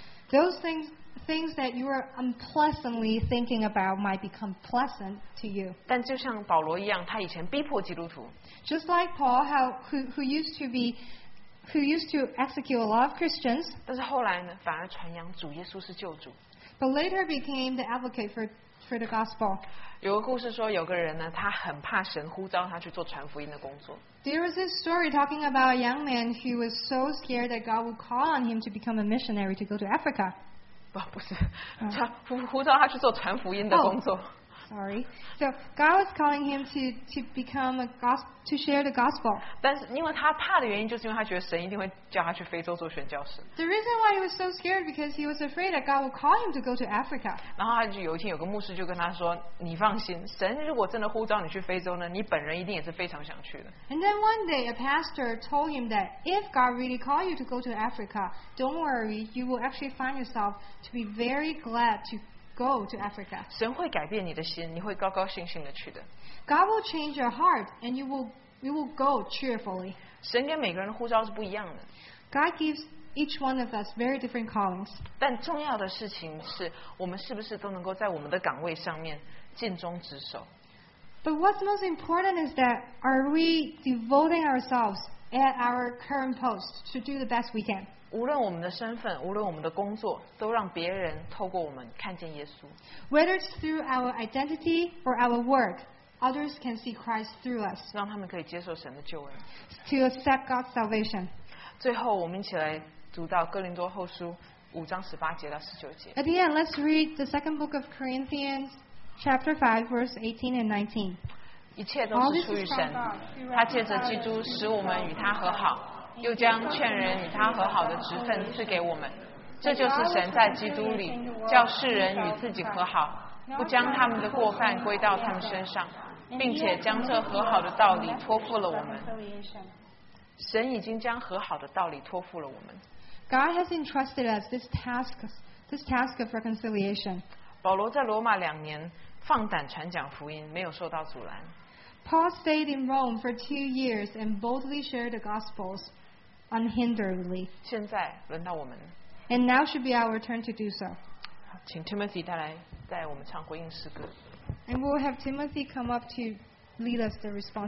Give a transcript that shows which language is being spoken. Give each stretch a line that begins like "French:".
English: Those things that you were unpleasantly thinking about might become pleasant to you.
Chinese: 但就像保罗一样，他以前逼迫基督徒。
English: Just like Paul, who used to execute a lot of Christians.
Chinese: 但是后来呢，反而传扬主耶稣是救主。
English: But later became the advocate for the gospel.
Chinese: 有个故事说，有个人呢，他很怕神呼召他去做传福音的工作。
English: There was this story talking about a young man who was so scared that God would call on him to become a missionary to go to Africa.
Chinese: 不是，呼召他去做传福音的工作。
English: Oh, sorry. So God was calling him to share the gospel.
Chinese: 但是因为他怕的原因，就是因为他觉得神一定会叫他去非洲做宣教士。
English: The reason why he was so scared because he was afraid that God would call him to go to Africa.
Chinese: 然后他就有一天有个牧师就跟他说：“你放心，神如果真的呼召你去非洲呢，你本人一定也是非常想去的。”
English: And then one day a pastor told him that if God really called you to go to Africa, don't worry, you will actually find yourself to be very glad to go to Africa.
Chinese: 神会改变你的心，你会高高兴兴的去的。
English: God will change your heart, and you will go cheerfully.
Chinese: 神给每个人的呼召是不一样的。
English: God gives each one of us very different callings.
Chinese: 但重要的事情是，我们是不是都能够在我们的岗位上面尽忠职守。
English: But what's most important is that are we devoting ourselves at our current post to do the best we can?
Chinese: 无论我们的身份，无论我们的工作，都让别人透过我们看见耶稣。
English: Whether it's through our identity or our work, others can see Christ through us.
Chinese: 让他们可以接受神的救恩。
English: To accept God's salvation.
Chinese: 最后，我们一起来读到哥林多后书5:18-19.
English: At the end, let's read the second book of Corinthians, chapter 5, verse 18 and 19.
Chinese: 一切都是出于神，他借着基督使我们与他和好。又将劝人与他和好的职分赐给我们，这就是神在基督里叫世人与自己和好，不将他们的过犯归到他们身上，并且将这和好的道理托付了我们。神已经将和好的道理托付了我们。
English: God has entrusted us this task of reconciliation.
Chinese: 保罗在罗马两年放胆传讲福音，没有受到阻拦。
English: Paul stayed in Rome for 2 years and boldly shared the Gospels unhinderedly.
Chinese: 现在轮到我们。
English: And now should be our turn to do so.
Chinese: 请 Timothy 带来带我们唱回应诗歌。
English: And we'll have Timothy come up to lead us the response.